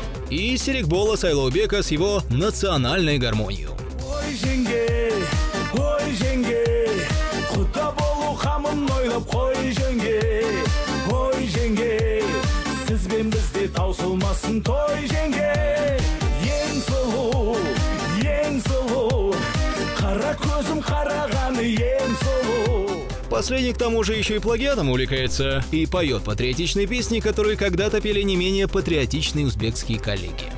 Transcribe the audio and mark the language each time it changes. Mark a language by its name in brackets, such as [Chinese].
[Russian] И Серикбола Сайлаубека с его национальной гармонией. [Kazakh] Ой, женге, ой, женге, құта болу қамын ойлап, қой, женге, ой, женге, сіз бен бізде таусылмасын, той, женге, ең сұлу, ең сұлу, қара көзім қарағаны, ең сұлу. [Russian] Последний к тому же еще и плагиатом увлекается и поет патриотичные песни, которые когда-то пели не менее патриотичные узбекские коллеги.